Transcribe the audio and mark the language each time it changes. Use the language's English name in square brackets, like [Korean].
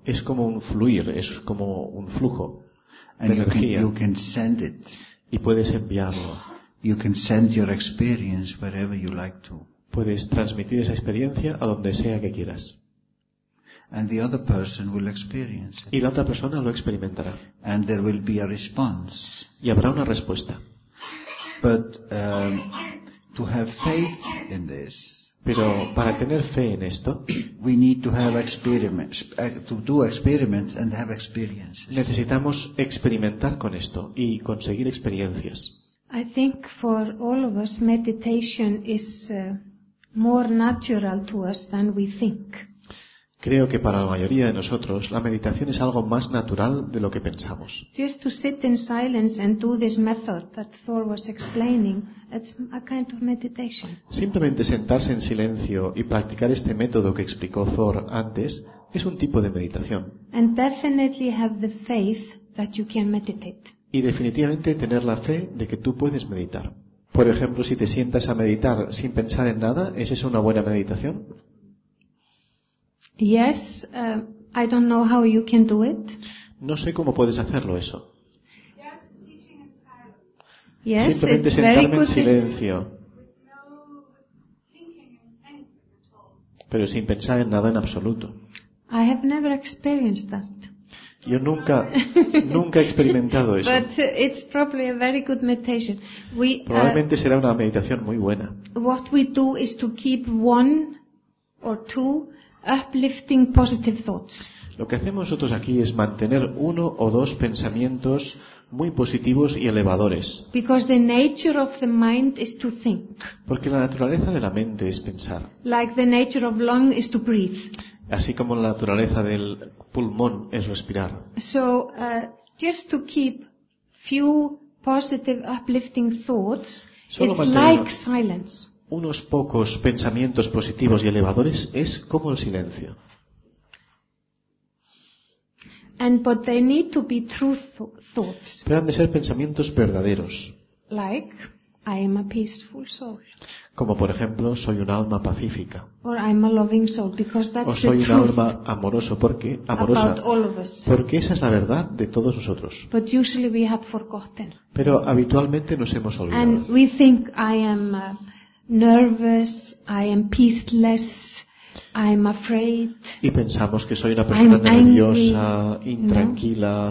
[Spanish] Es como un fluir, es como un flujo. [English] And you can send it. [Spanish] Y puedes enviarlo. [English] You can send your experience wherever you like to. [Spanish] Puedes transmitir esa experiencia a donde sea que quieras. [English] And the other person will experience it. [Spanish] Y la otra persona lo experimentará. [English] And there will be a response. [Spanish] Y habrá una respuesta. [English] But to have faith in this. [Spanish] Pero para tener fe en esto, [English] we need to have experiments, to do experiments and have experiences. [Spanish] Necesitamos experimentar con esto y conseguir experiencias. [English] I think for all of us, meditation is more natural to us than we think. [Spanish] Creo que para la mayoría de nosotros la meditación es algo más natural de lo que pensamos. [English] Just to sit in silence and do this method that Thor was explaining, it's a kind of meditation. [Spanish] Simplemente sentarse en silencio y practicar este método que explicó Thor antes es un tipo de meditación. [English] And definitely have the faith that you can meditate. [Spanish] Y definitivamente tener la fe de que tú puedes meditar. Por ejemplo, si te sientas a meditar sin pensar en nada, ¿es eso una buena meditación? [English] Yes, I don't know how you can do it. [Spanish] No sé cómo puedes hacerlo eso. [English] Yes, [Spanish] simplemente [English] it's [Spanish] sentarme [English] very good [Spanish] en silencio. Pero sin pensar en nada en absoluto. [English] I have never experienced that. [Spanish] Yo nunca he experimentado eso. [English] But it's probably a very good meditation. [Spanish] Probablemente será una meditación muy buena. [English] What we do is to keep one or two uplifting positive thoughts. [Spanish] Lo que hacemos nosotros aquí es mantener uno o dos pensamientos muy positivos y elevadores. [English] Because the nature of the mind is to think. [Spanish] Porque la naturaleza de la mente es pensar. [English] Like the nature of lung is to breathe. [Spanish] Así como la naturaleza del pulmón es respirar. [English] So, just to keep few positive uplifting thoughts, [Spanish] solo [English] it's like silence. [Spanish] Unos pocos pensamientos positivos y elevadores es como el silencio. [English] But they need to be truth thoughts. [Spanish] Pero han de ser pensamientos verdaderos. [English] Like, I am a peaceful soul. [Spanish] Como por ejemplo, soy un alma pacífica. [English] Or I'm a loving soul, because that's [Spanish] o soy un alma amoroso, porque, amorosa. [English] About all of us. [Spanish] Porque esa es la verdad de todos nosotros. [English] But usually we have forgotten. [Spanish] Pero habitualmente nos hemos olvidado. [English] And we think I am nervous, I am peaceless, I am afraid. [Spanish] Y pensamos que soy una persona nerviosa, intranquila,